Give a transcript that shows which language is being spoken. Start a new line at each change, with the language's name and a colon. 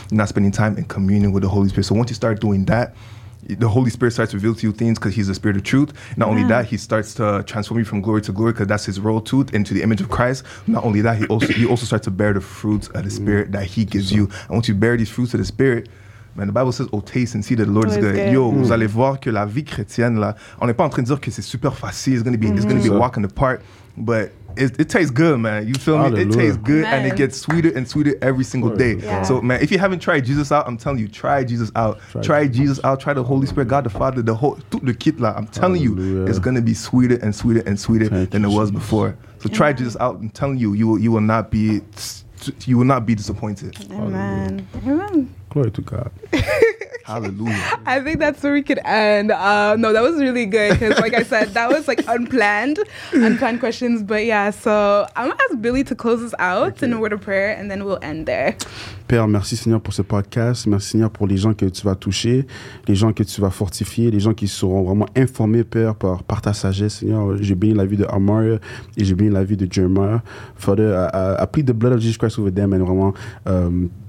English: You're not spending time in communion with the Holy Spirit. So once you start doing that, the Holy Spirit starts to reveal to you things because he's the Spirit of truth. Not only that, he starts to transform you from glory to glory because that's his role too, into the image of Christ. Not only that, he also starts to bear the fruits of the Spirit that he gives you. And once you bear these fruits of the Spirit, man, the Bible says, oh, taste and see that the Lord is good.
French: Yo, vous allez voir que la vie chrétienne, là, on n'est pas en train de dire que c'est super facile.
English: It's going to be walking the park, but it tastes good, man. You feel me? It tastes good, and it gets sweeter and sweeter every single day. Yeah. So, man, if you haven't tried Jesus out, I'm telling you, try Jesus out. Try Jesus out. Try the Holy Spirit, God the Father, the whole,
French: tout le kit, là.
English: I'm telling you, it's going to be sweeter and sweeter and sweeter than it was before. So try Jesus out. I'm telling you, you will not be disappointed. Amen. Glory to God. Hallelujah. I think that's where we could end. No, that was really good because, like I said, that was like unplanned questions. But yeah, so I'm going to ask Billy to close us out in a word of prayer and then we'll end there.
French: Père, merci Seigneur pour ce podcast. Merci Seigneur pour les gens que tu vas toucher, les gens que tu vas fortifier, les gens qui seront vraiment informés, Père, par ta sagesse. Seigneur, j'ai béni la vie de Amari et j'ai béni la vie de Jeremiah.
English: Father, I plead the blood of Jesus Christ over them and vraiment.